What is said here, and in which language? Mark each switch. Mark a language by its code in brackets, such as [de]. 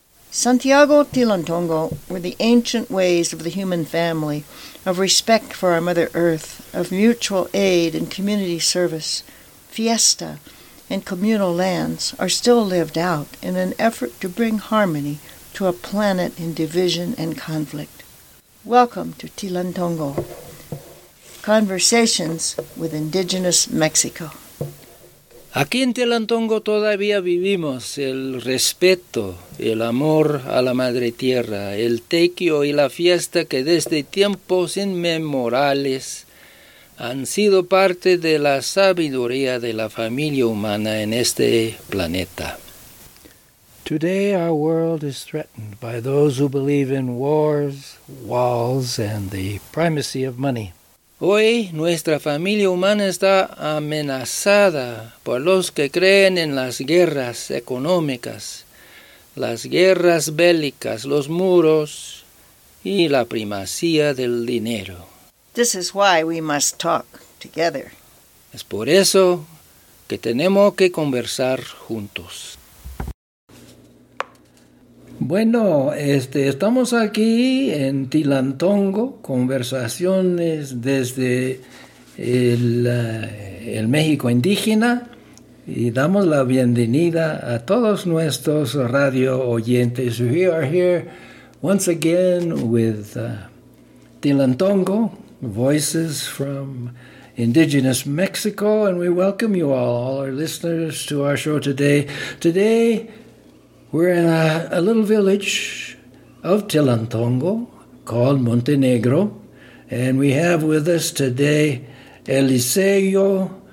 [en] Santiago Tilantongo were the ancient ways of the human family, of respect for our Mother Earth, of mutual aid and community service, fiesta, and communal lands are still lived out in an effort to bring harmony to a planet in division and conflict. Welcome to Tilantongo. Conversations with Indigenous Mexico. [es] Aquí en Tilantongo todavía vivimos el respeto, el amor a la madre tierra, el tequio y la fiesta que desde tiempos inmemorables han sido parte de la sabiduría de la familia humana en este planeta. [en] Today our world is threatened by those who believe in wars, walls, and the primacy of money. [es] Hoy nuestra familia humana está amenazada por los que creen en las guerras económicas, las guerras bélicas, los muros y la primacía del dinero. [en] This is why we must talk together. [es] Es por eso que tenemos que conversar juntos. Bueno, estamos aquí en Tilantongo, conversaciones desde el México indígena, y damos la bienvenida a todos nuestros radio oyentes. [en] We are here once again with Tilantongo, voices from Indigenous Mexico, and we welcome you all our listeners to our show today. Today, we're in a little village of Tilantongo called Montenegro, and we have with us today Eliseo